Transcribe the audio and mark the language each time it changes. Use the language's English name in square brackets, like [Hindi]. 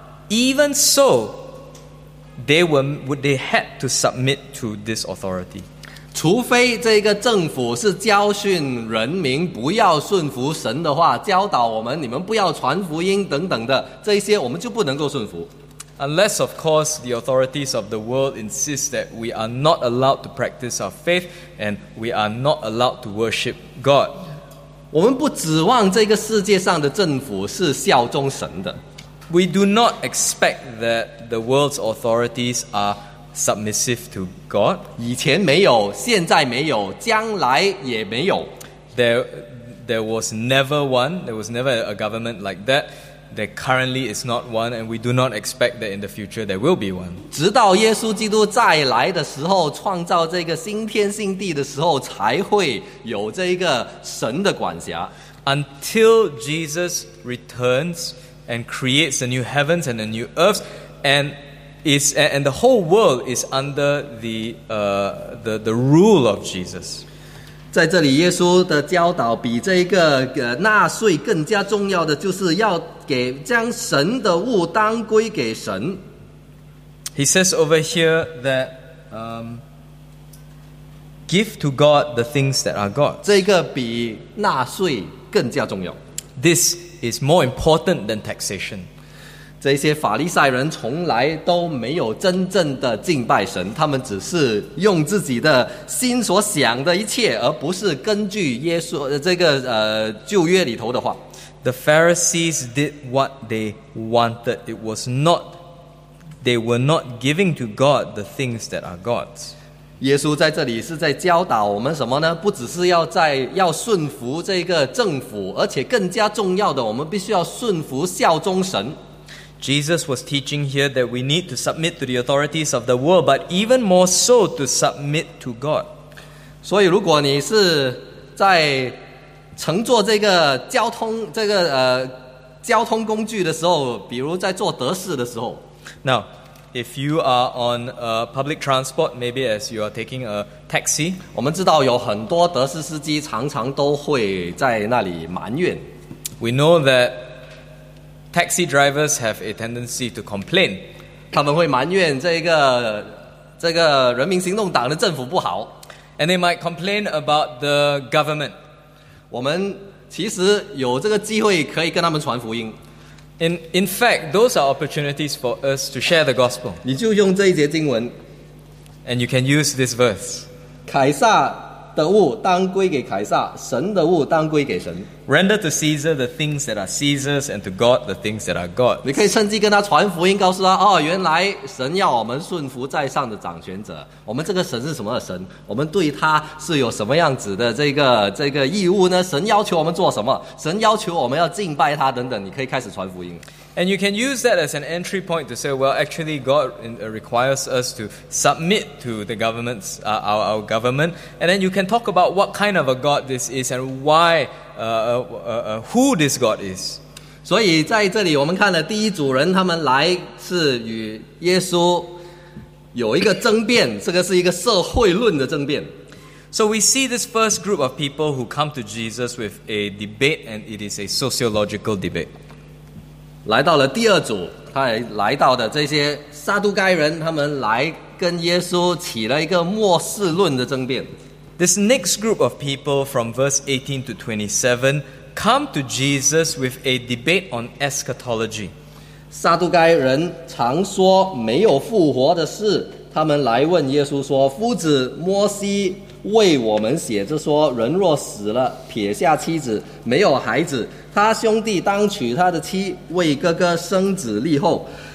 [English] Even so, they had to submit to this authority. [Chinese] 除非这个政府是教训人民不要顺服神的话，教导我们你们不要传福音等等的，这些我们就不能够顺服。 [English] Unless, of course, the authorities of the world insist that we are not allowed to practice our faith and we are not allowed to worship God. [Chinese] 我们不指望这个世界上的政府是效忠神的。 [English] We do not expect that the world's authorities are submissive to God. [Chinese] 以前没有，现在没有，将来也没有。 [English] There was never one. There was never a government like that. There currently is not one, and we do not expect that in the future there will be one. [Chinese] 直到耶稣基督再来的时候，创造这个新天新地的时候，才会有这个神的管辖。 [English] Until Jesus returns and creates a new heavens and a new earth, and the whole world is under the rule of Jesus. [Chinese] 在这里耶稣的教导比这个纳税更加重要的，就是要给将神的物当归给神。 [English] He says over here that give to God the things that are God. [Chinese] 这个比纳税更加重要。 [English] This is more important than taxation. [Chinese] 这些法利赛人从来都没有真正的敬拜神，他们只是用自己的心所想的一切，而不是根据耶稣这个旧约里头的话。 [English] The Pharisees did what they wanted. It was not, they were not giving to God the things that are God's. [Chinese] 耶稣在这里是在教导我们什么呢？不只是要顺服这个政府，而且更加重要的，我们必须要顺服效忠神。 [English] Jesus was teaching here that we need to submit to the authorities of the world, but even more so to submit to God. [Chinese] 所以如果你是在乘坐这个交通工具的时候，比如在坐德士的时候。 [English] Now, if you are on a public transport, maybe as you are taking a taxi. [Chinese] 我们知道有很多德士司机常常都会在那里埋怨。 [English] We know that Taxi drivers have a tendency to complain. [Chinese] 他们会埋怨这个人民行动党的政府不好。 [English] And they might complain about the government. [Chinese] 我们其实有这个机会可以跟他们传福音。 [English] In fact, those are opportunities for us to share the gospel. [Chinese] 你就用这一节经文。 [English] And you can use this verse. [Chinese] 凯撒的物当归给凯撒，神的物当归给神。 [English] Render to Caesar the things that are Caesar's, and to God the things that are God's. [Chinese] 你可以趁机跟他传福音，告诉他哦，原来神要我们顺服在上的掌权者。我们这个神是什么神？我们对他是有什么样子的这个义务呢？神要求我们做什么？神要求我们要敬拜他等等。你可以开始传福音。 [English] And you can use that as an entry point to say, well, actually, God requires us to submit to the government's our government, and then you can talk about what kind of a God this is and why. Who this God is. [Chinese] 所以在这里我们看了第一组人，他们来是与耶稣有一个争辩，这个是一个社会论的争辩。 [English] So we see this first group of people who come to Jesus with a debate, and it is a sociological debate. [Chinese] 来到了第二组, 来到的这些撒都该人, 他们来跟耶稣起了一个末世论的争辩。 [English] This next group of people from verse 18 to 27 come to Jesus with a debate on eschatology. [Chinese] 撒都该人常说没有复活的事, 他们来问耶稣说，夫子摩西 为我们写着说，人若死了，撇下妻子，没有孩子，他兄弟当娶他的妻，为哥哥生子立后。